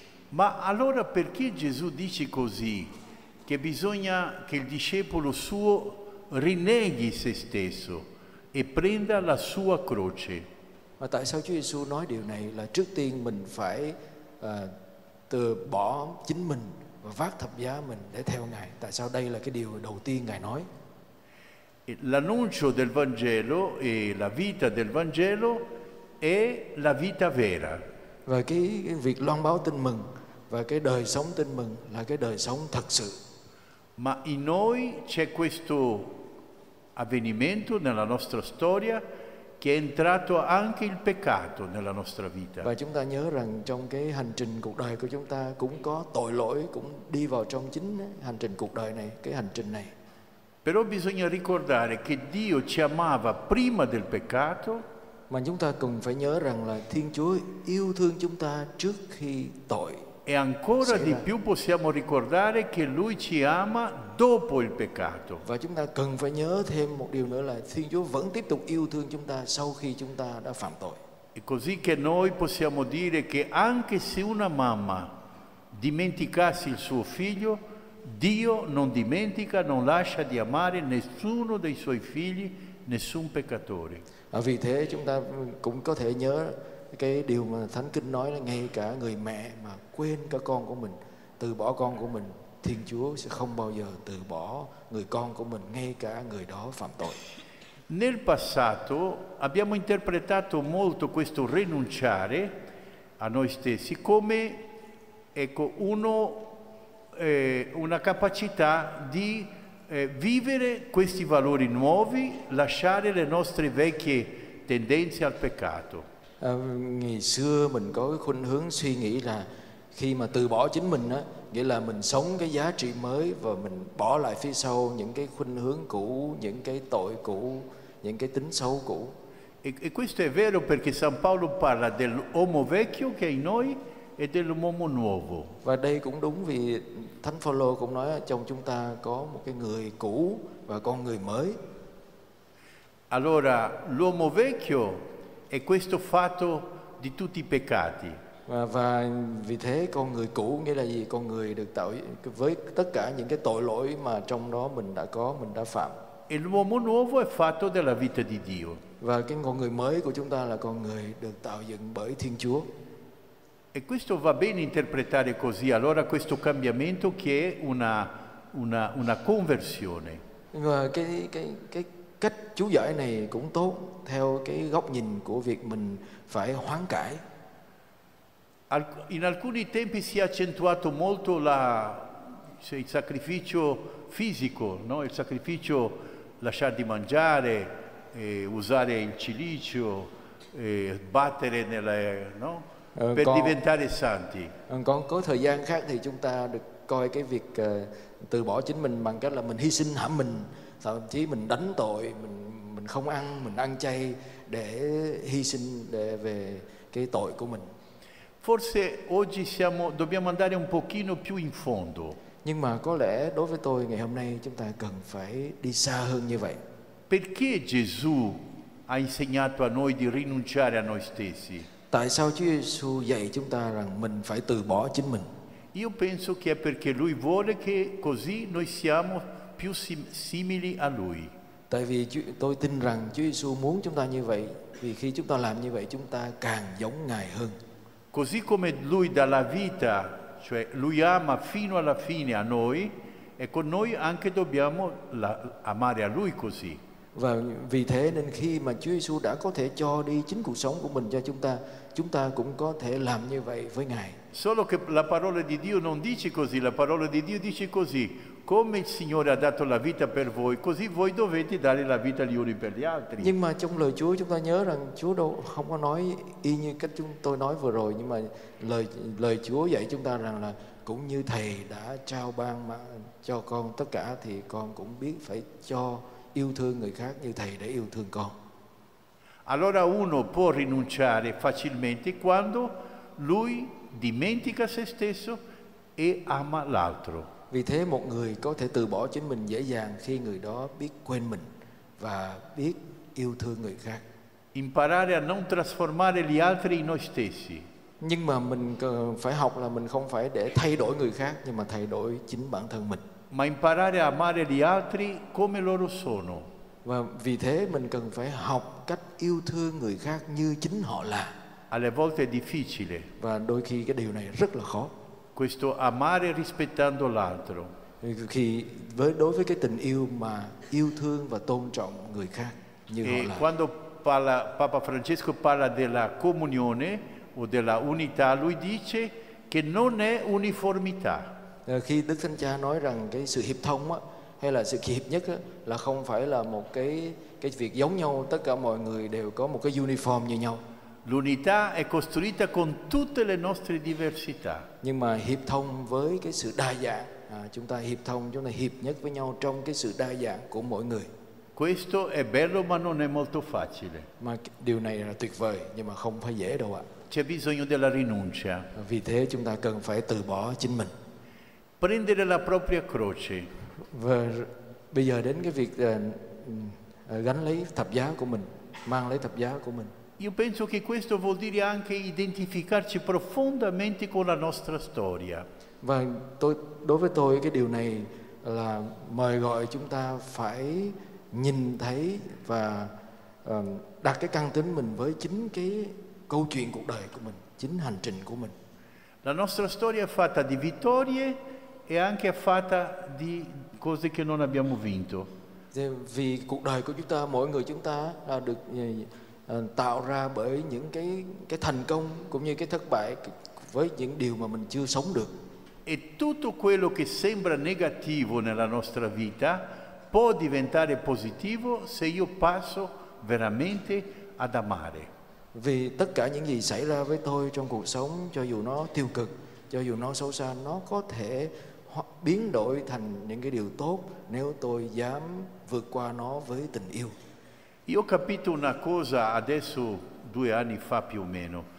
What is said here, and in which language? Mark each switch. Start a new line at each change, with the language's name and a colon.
Italian: Ma allora perché Gesù dice così che bisogna che il discepolo suo rinneghi se stesso e prenda la sua croce?
Vietnamese: Ma tại sao Chúa Giêsu nói điều này, là trước tiên mình phải từ bỏ chính mình và vác thập giá mình để theo Ngài? Tại sao đây là cái điều đầu tiên Ngài nói?
Italian: L'annuncio del Vangelo e la vita del Vangelo è la vita vera.
Vietnamese: Và cái việc loan báo tin mừng và cái đời sống tin mừng là cái đời sống thật sự.
Italian: Ma in noi c'è questo avvenimento nella nostra storia che è entrato anche il peccato nella nostra vita.
Vietnamese: Và chúng ta nhớ rằng trong cái hành trình cuộc đời của chúng ta cũng có tội lỗi cũng đi vào trong chính hành trình cuộc đời này, cái hành trình này.
Italian: Però bisogna ricordare che Dio ci amava prima del peccato.
Vietnamese: Mà chúng ta cần phải nhớ rằng là Thiên Chúa yêu thương chúng ta trước khi tội.
Italian: E ancora di più possiamo ricordare che Lui ci ama dopo il peccato.
Vietnamese: Và chúng ta cần phải nhớ thêm một điều nữa là Thiên Chúa vẫn tiếp tục yêu thương chúng ta sau khi chúng ta đã phạm tội.
Italian: E così che noi possiamo dire che anche se una mamma dimenticasse il suo figlio, Dio non dimentica, non lascia di amare nessuno dei suoi figli, nessun peccatore.
Vietnamese: Vì thế chúng ta cũng có thể nhớ cái điều mà Thánh Kinh nói là ngay cả người mẹ mà quên cả con của mình, từ bỏ con của mình, Thiên Chúa sẽ không bao giờ từ bỏ người con của mình, ngay cả người đó phạm tội.
Italian: Nel passato abbiamo interpretato molto questo rinunciare a noi stessi come ecco uno una capacità di vivere questi valori nuovi, lasciare le nostre vecchie tendenze al peccato.
Vietnamese: Ngày xưa mình có cái khuynh hướng suy nghĩ là khi mà từ bỏ chính mình á, nghĩa là mình sống cái giá trị mới và mình bỏ lại phía sau những cái khuynh hướng cũ, những cái tội cũ, những cái tính xấu cũ.
Italian: E questo è vero perché San Paolo parla dell'uomo vecchio che è in noi e dell'uomo nuovo.
Vietnamese: Và đây cũng đúng vì Thánh Phaolô cũng nói trong chúng ta có một cái người cũ và con người mới.
Italian: Allora l'uomo vecchio è questo fatto di tutti i peccati.
Vietnamese: Và vì thế con người cũ nghĩa là gì? Con người được tạo với tất cả những cái tội lỗi mà trong đó mình đã có, mình đã phạm.
Italian: E l'uomo nuovo è fatto della vita di Dio.
Vietnamese: Và cái con người mới của chúng ta là con người được tạo dựng bởi Thiên Chúa.
Italian: E questo va bene interpretare così, allora questo cambiamento che è una conversione.
Vietnamese: Và cái cách chú giải này cũng tốt theo cái góc nhìn của việc mình phải hoán cải.
Italian: In alcuni tempi si è accentuato molto il sacrificio fisico, no? Il sacrificio lasciar di mangiare, usare il cilicio, battere nelle, no?
Vietnamese: Còn có thời gian khác thì chúng ta được coi cái việc từ bỏ chính mình bằng cách là mình hy sinh hãm mình, thậm chí mình đánh tội, mình không ăn, mình ăn chay để hy sinh để về cái tội của mình.
Italian: Forse oggi dobbiamo andare un pochino più in fondo.
Vietnamese: Nhưng mà có lẽ đối với tôi ngày hôm nay chúng ta cần phải đi xa hơn như vậy.
Italian: Perché Gesù ha insegnato a noi di rinunciare a noi stessi?
Vietnamese: Tại sao Chúa Giêsu dạy chúng ta rằng mình phải từ bỏ chính mình?
Italian: Io penso che è perché lui vuole che così noi siamo più simili a lui.
Vietnamese: Tại vì tôi tin rằng Chúa Giêsu muốn chúng ta như vậy, vì khi chúng ta làm như vậy chúng ta càng giống Ngài hơn.
Italian: Così come lui dà la vita, cioè lui ama fino alla fine a noi, e con noi anche dobbiamo amare a lui così.
Vietnamese: Và vì thế nên khi mà Chúa Giêsu đã có thể cho đi chính cuộc sống của mình cho chúng ta cũng có thể làm như vậy với Ngài.
Italian: Solo che la parola di Dio non dice così, la parola di Dio dice così: come il Signore ha dato la vita per voi, così voi dovete dare la vita gli uni per gli altri.
Vietnamese: Nhưng mà trong lời Chúa chúng ta nhớ rằng Chúa đâu không có nói y như cách chúng tôi nói vừa rồi, nhưng mà lời Chúa dạy chúng ta rằng là cũng như Thầy đã trao ban mà cho con tất cả thì con cũng biết phải cho yêu thương người khác như Thầy đã yêu thương con.
Italian: Allora uno può rinunciare facilmente quando lui dimentica se stesso e ama l'altro.
Vietnamese: Vì thế một người có thể từ bỏ chính mình dễ dàng khi người đó biết quên mình và biết yêu thương người khác.
Italian: Imparare a non trasformare gli altri in noi stessi.
Vietnamese: Nhưng mà mình phải học là mình không phải để thay đổi người khác, nhưng mà thay đổi chính bản thân mình.
Italian: Ma imparare a amare gli altri come loro sono.
Vietnamese: Và vì thế mình cần phải học cách yêu thương người khác như chính họ là.
Italian: Alle volte è difficile.
Vietnamese: Và đôi khi cái điều này rất là khó.
Italian: Questo amare rispettando l'altro.
Vietnamese: Khi với đối với cái tình yêu mà yêu thương và tôn trọng người khác như e họ là.
Italian: Quando Papa Francesco parla della comunione o della unità, lui dice che non è uniformità.
Vietnamese: Khi Đức Thánh Cha nói rằng cái sự hiệp thông á, hay là sự hiệp nhất á, là không phải là một cái việc giống nhau, tất cả mọi người đều có một cái uniform như nhau.
Italian: L'unità è costruita con tutte le nostre diversità.
Vietnamese: Nhưng mà hiệp thông với cái sự đa dạng, chúng ta hiệp thông, chúng ta hiệp nhất với nhau trong cái sự đa dạng của mỗi người.
Italian: Questo è bello ma non è molto facile.
Vietnamese: Mà điều này là tuyệt vời nhưng mà không phải dễ đâu ạ.
Italian: C'è bisogno della rinuncia.
Vietnamese: Vì thế chúng ta cần phải từ bỏ chính mình.
Italian: Prendere la propria croce.
Vietnamese: Và bây giờ đến cái việc gánh lấy thập giá của mình, mang lấy thập giá của mình.
Italian: Io penso che questo vuol dire anche identificarci profondamente con la nostra storia.
Vietnamese: Và tôi, đối với tôi cái điều này là mời gọi chúng ta phải nhìn thấy và đặt cái căn tính mình với chính cái câu chuyện cuộc đời của mình, chính hành trình của mình.
Italian: La nostra storia è fatta di vittorie e anche fatta di cose che non abbiamo vinto.
Vietnamese: Vì cuộc đời của chúng ta, mỗi người chúng ta là được tạo ra bởi những cái thành công cũng như cái thất bại với những điều mà mình chưa sống được.
Italian: E tutto quello che sembra negativo nella nostra vita può diventare positivo se io passo veramente ad amare.
Vietnamese: Vì tất cả những gì xảy ra với tôi trong cuộc sống, cho dù nó tiêu cực, cho dù nó xấu xa, nó có thể biến đổi thành những cái điều tốt nếu tôi dám vượt qua nó với tình yêu.
Italian: Io ho capito una cosa adesso due anni fa più o meno.